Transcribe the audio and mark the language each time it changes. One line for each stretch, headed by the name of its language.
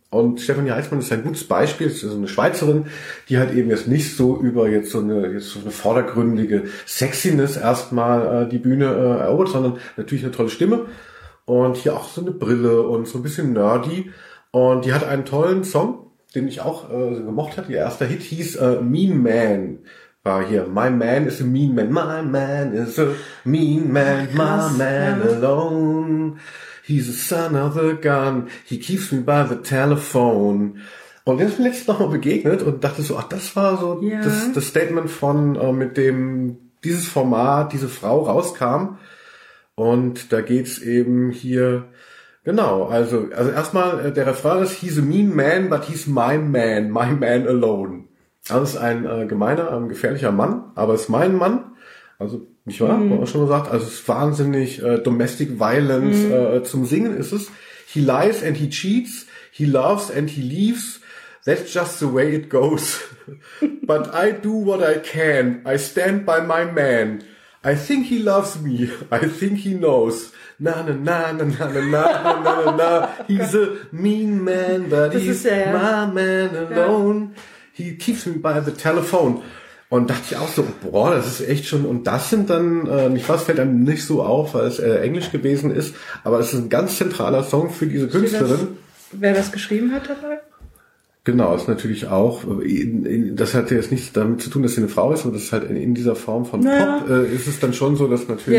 German: Und Stefanie Heinzmann ist ein gutes Beispiel. Sie ist eine Schweizerin, die halt eben jetzt nicht so über jetzt so eine vordergründige Sexiness erstmal die Bühne erobert, sondern natürlich eine tolle Stimme. Und hier auch so eine Brille und so ein bisschen nerdy. Und die hat einen tollen Song, den ich auch gemocht habe. Ihr erster Hit hieß Mean Man. War hier,
English: my man is a mean man. My man is a mean man. My man alone. He's the son of the gun. He keeps me by the telephone.
German: Und jetzt bin ich letztens nochmal begegnet und dachte so, ach, das war so das Statement von, mit dem dieses Format, diese Frau rauskam. Und da geht's eben hier, genau, also erstmal, der Refrain ist,
English: he's a mean man, but he's my man alone.
German: Das ist ein gemeiner, ein gefährlicher Mann, aber ist mein Mann. Also, nicht wahr? Mhm. Man schon gesagt, also es ist wahnsinnig Domestic Violence zum Singen ist es.
English: He lies and he cheats, he loves and he leaves, that's just the way it goes. But I do what I can, I stand by my man. I think he loves me, I think he knows. Na na na na na na na na na na na. He's a mean man, but das he's my man alone. Ja. He keeps me by the telephone.
German: Und dachte ich auch so, boah, das ist echt schon, und das sind dann, nicht was, fällt einem nicht so auf, weil es Englisch gewesen ist, aber es ist ein ganz zentraler Song für diese Künstlerin. wer das geschrieben hat dabei? Genau, ist natürlich auch, das hat jetzt nichts damit zu tun, dass sie eine Frau ist, aber das ist halt in dieser Form von Pop, ist es dann schon so, dass natürlich...